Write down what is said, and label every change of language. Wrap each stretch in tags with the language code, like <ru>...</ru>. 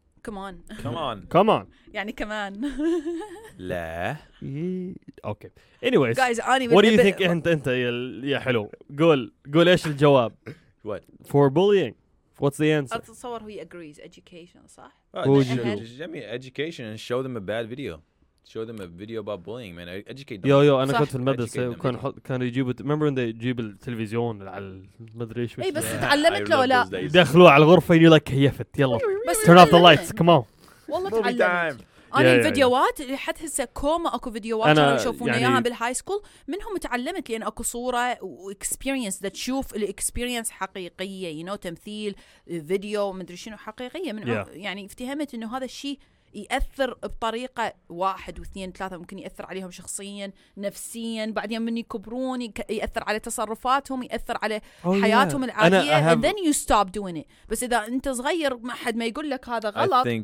<ar>كمان كمان يعني كمان لا أوكي anyways guys أنا what do you think أنت يا حلو قول إيش الجواب</ar> <en>what for bullying what's the answer</en> <ar>أتصور هو agrees education صح</ar> <en>جميل education and show them a bad video show them a video about bullying man educate them</en> <ar>yo انا كنت في المدرسه وكان كانوا يجيبوا remember when they يجيب التلفزيون على المدري ايش بس تعلمت لو لا دخلوا على الغرفه يقول لك كيفت يلا turn off the lights come on والله تعلمت انا الفيديوهات لحد هسه كوما اكو فيديوهات انا يشوفون اياها بالهاي سكول منهم تعلمت لان اكو صوره واكسبيرينس ذات تشوف الاكسبيرينس حقيقيه يو نو تمثيل فيديو مدري شنو حقيقيه من يعني افتهمت انه هذا الشيء يأثر بطريقة واحد واثنين ثلاثة ممكن يأثر عليهم شخصيا نفسيا بعدين من يكبرون يأثر على تصرفاتهم يأثر على حياتهم العادية and then you stop doing it بس إذا أنت صغير ما حد ما يقول لك هذا غلط</ar>